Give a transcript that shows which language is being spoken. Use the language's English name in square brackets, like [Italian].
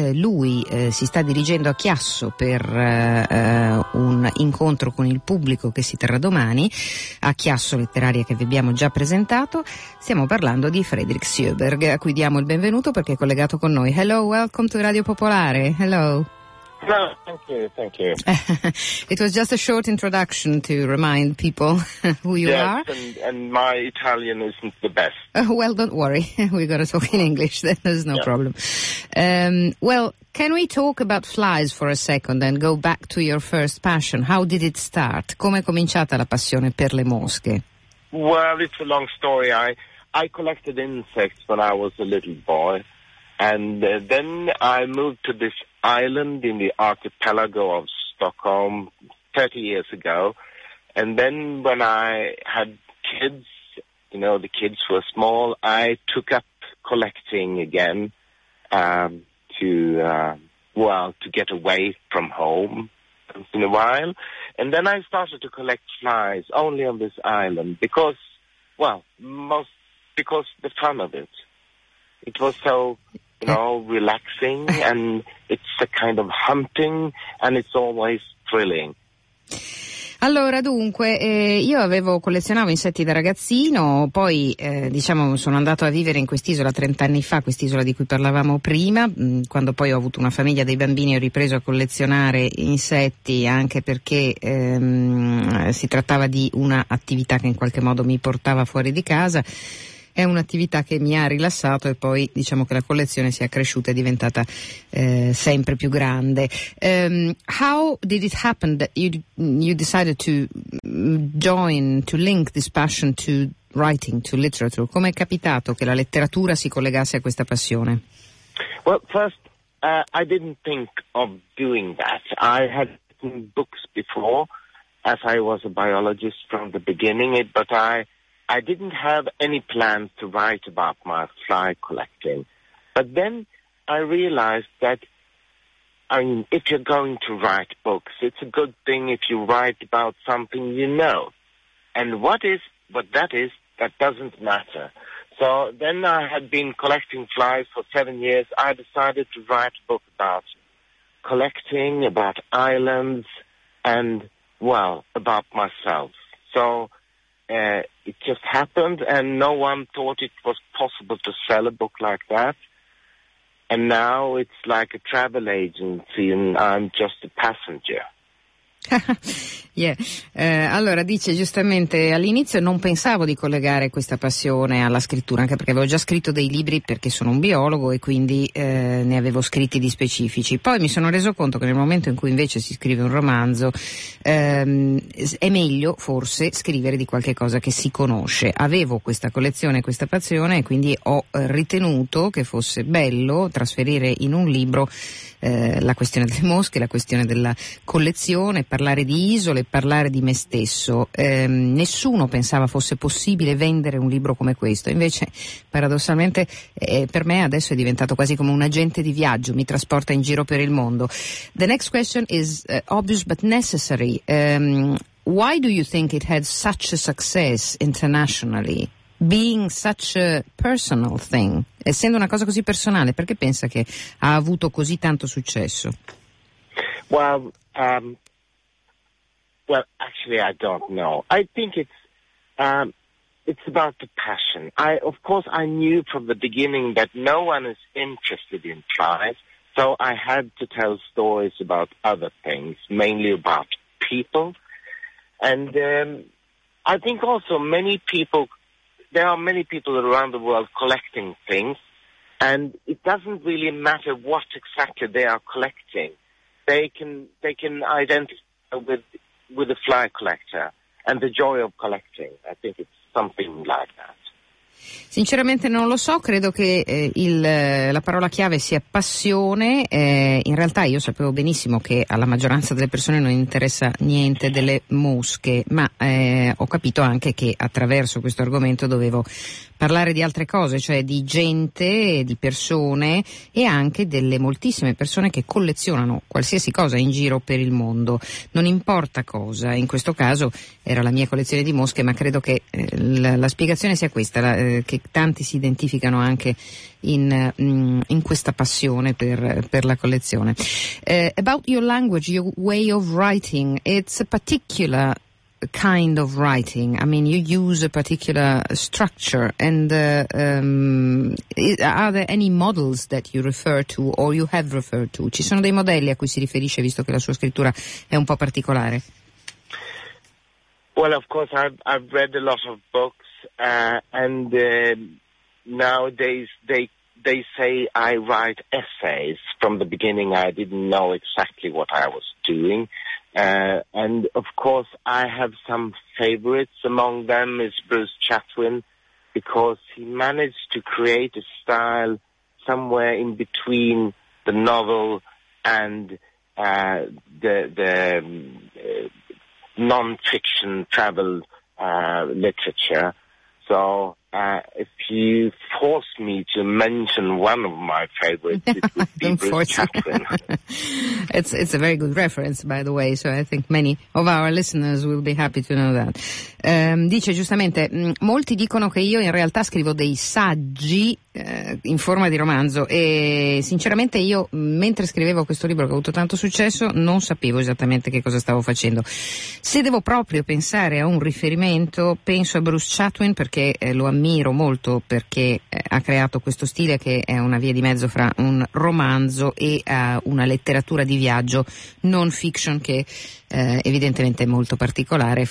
[Italian] Lui si sta dirigendo a Chiasso per un incontro con il pubblico che si terrà domani a Chiasso Letteraria, che vi abbiamo già presentato. Stiamo parlando di Fredrik Sjöberg, a cui diamo il benvenuto perché è collegato con noi. [English] Hello, welcome to Radio Popolare. Hello. No, thank you. It was just a short introduction to remind people who you are. And my Italian isn't the best. Well, don't worry. We're going to talk in English. There's no problem. Well, can we talk about flies for a second and go back to your first passion? How did it start? [Italian] Come è cominciata la passione per le mosche? [English] Well, it's a long story. I collected insects when I was a little boy, and then I moved to this island in the archipelago of Stockholm 30 years ago, and then when I had kids, you know, the kids were small, I took up collecting again to get away from home in a while, and then I started to collect flies only on this island because the fun of it. It was so, you know, relaxing, and it's a kind of hunting, and it's always thrilling. [Italian] Allora, dunque, collezionavo insetti da ragazzino, poi sono andato a vivere in quest'isola 30 anni fa, quest'isola di cui parlavamo prima. Quando poi ho avuto una famiglia, dei bambini, ho ripreso a collezionare insetti, anche perché si trattava di un'attività che in qualche modo mi portava fuori di casa. È un'attività che mi ha rilassato, e poi diciamo che la collezione si è cresciuta, è diventata sempre più grande. [English] How did it happen that you decided to join, to link this passion to writing, to literature? [Italian] Come è capitato che la letteratura si collegasse a questa passione? [English] Well, first, I didn't think of doing that. I had written books before, as I was a biologist from the beginning, but I didn't have any plans to write about my fly collecting. But then I realized that, I mean, if you're going to write books, it's a good thing if you write about something you know. And what that is, that doesn't matter. So then I had been collecting flies for 7 years. I decided to write a book about collecting, about islands, and, well, about myself. So it just happened, and no one thought it was possible to sell a book like that. And now it's like a travel agency, and I'm just a passenger. [Italian] Allora, dice giustamente, all'inizio non pensavo di collegare questa passione alla scrittura, anche perché avevo già scritto dei libri, perché sono un biologo, e quindi ne avevo scritti di specifici. Poi mi sono reso conto che nel momento in cui invece si scrive un romanzo è meglio forse scrivere di qualche cosa che si conosce. Avevo questa collezione, questa passione, e quindi ho ritenuto che fosse bello trasferire in un libro la questione delle mosche, la questione della collezione, parlare di isole, parlare di me stesso. Nessuno pensava fosse possibile vendere un libro come questo, invece paradossalmente per me adesso è diventato quasi come un agente di viaggio, mi trasporta in giro per il mondo. [English] The next question is obvious but necessary. Why do you think it had such a success internationally, being such a personal thing? [Italian] Essendo una cosa così personale, perché pensa che ha avuto così tanto successo? [English] Well, actually, I don't know. I think it's about the passion. Of course, I knew from the beginning that no one is interested in flies, so I had to tell stories about other things, mainly about people. And I think also many people there are many people around the world collecting things, and it doesn't really matter what exactly they are collecting. They can identify with a fly collector and the joy of collecting. I think it's something like that. [Italian] Sinceramente non lo so, credo che la parola chiave sia passione. In realtà io sapevo benissimo che alla maggioranza delle persone non interessa niente delle mosche, ma ho capito anche che attraverso questo argomento dovevo parlare di altre cose, cioè di gente, di persone e anche delle moltissime persone che collezionano qualsiasi cosa in giro per il mondo, non importa cosa. In questo caso era la mia collezione di mosche, ma credo che la spiegazione sia questa, che tanti si identificano anche in questa passione per la collezione. [English] About your language, your way of writing, it's a particular kind of writing. I mean, you use a particular structure, and are there any models that you refer to or you have referred to? [Italian] Ci sono dei modelli a cui si riferisce, visto che la sua scrittura è un po' particolare? [English] Well, of course, I've read a lot of books, nowadays they say I write essays. From the beginning, I didn't know exactly what I was doing. And of course, I have some favorites. Among them is Bruce Chatwin, because he managed to create a style somewhere in between the novel and the non-fiction travel literature. So if you force me to mention one of my favorites, it would be Bruce Chatwin. It's a very good reference, by the way, so I think many of our listeners will be happy to know that. [Italian] Dice giustamente, molti dicono che io in realtà scrivo dei saggi in forma di romanzo, e sinceramente io, mentre scrivevo questo libro che ha avuto tanto successo, non sapevo esattamente che cosa stavo facendo. Se devo proprio pensare a un riferimento, penso a Bruce Chatwin, perché lo ammiro molto, perché ha creato questo stile che è una via di mezzo fra un romanzo e una letteratura di viaggio non fiction, che evidentemente è molto particolare.